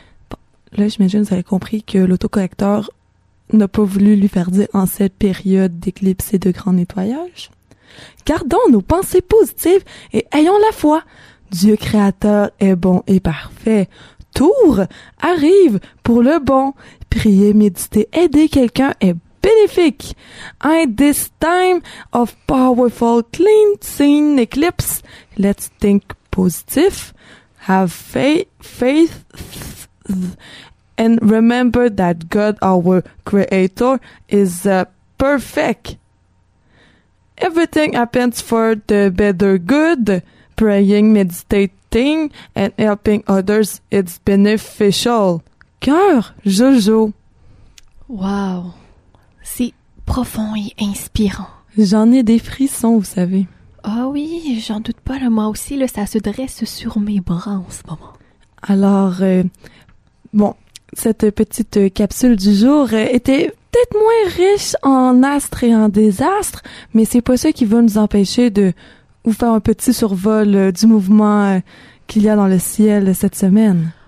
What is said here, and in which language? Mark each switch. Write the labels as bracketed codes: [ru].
[fr] Bon, là, j'imagine que vous avez compris que l'autocorrecteur n'a pas voulu lui faire dire en cette période d'éclipse et de grand nettoyage. Gardons nos pensées positives et ayons la foi. Dieu créateur est bon et parfait. Tour arrive pour le bon. Priez, méditez, aidez quelqu'un est bénéfique. [en] At this time of powerful cleansing eclipse, let's think positive, have faith, and remember that God, our creator, is perfect. Everything happens for the better good. Praying, meditating, and helping others, it's beneficial. [fr] Cœur, Jojo. Wow. C'est profond et inspirant. J'en ai des frissons, vous savez. Ah oui, j'en doute pas. Là, moi aussi, là, ça se dresse sur mes bras en ce moment. Alors, cette petite capsule du jour était peut-être moins riche en astres et en désastres, mais c'est pas ça qui va nous empêcher de vous faire un petit survol du mouvement qu'il y a dans le ciel cette semaine.